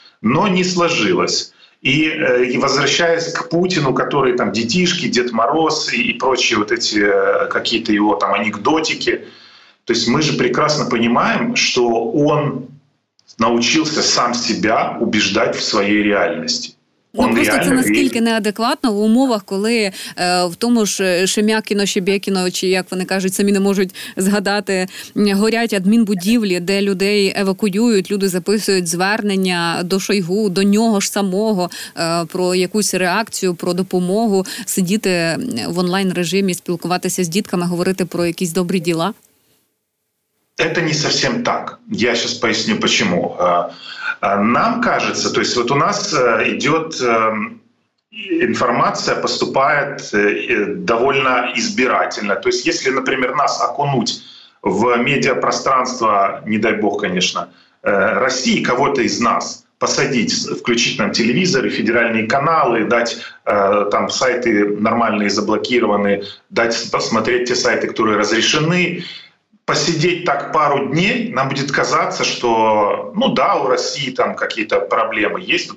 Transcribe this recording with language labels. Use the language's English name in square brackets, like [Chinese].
[Russian] Но не сложилось. И возвращаясь к Путину, который там детишки, Дед Мороз и прочие вот эти какие-то его там анекдотики, то есть мы же прекрасно понимаем, что он научился сам себя убеждать в своей реальности. [Ukrainian] Це наскільки неадекватно в умовах, коли в тому ж Шемякіно, Щебєкіно, чи як вони кажуть, самі не можуть згадати, горять адмінбудівлі, де людей евакуюють, люди записують звернення до Шойгу, до нього ж самого, про якусь реакцію, про допомогу, сидіти в онлайн-режимі, спілкуватися з дітками, говорити про якісь добрі діла. [Russian] Это не совсем так. Я сейчас поясню, почему. Нам кажется, то есть вот у нас идет информация, поступает довольно избирательно. То есть если, например, нас окунуть в медиапространство, не дай бог, конечно, России, кого-то из нас посадить, включить нам телевизоры, федеральные каналы, дать там сайты нормальные заблокированы, дать посмотреть те сайты, которые разрешены, посидеть так пару дней, нам будет казаться, что, у России там какие-то проблемы есть.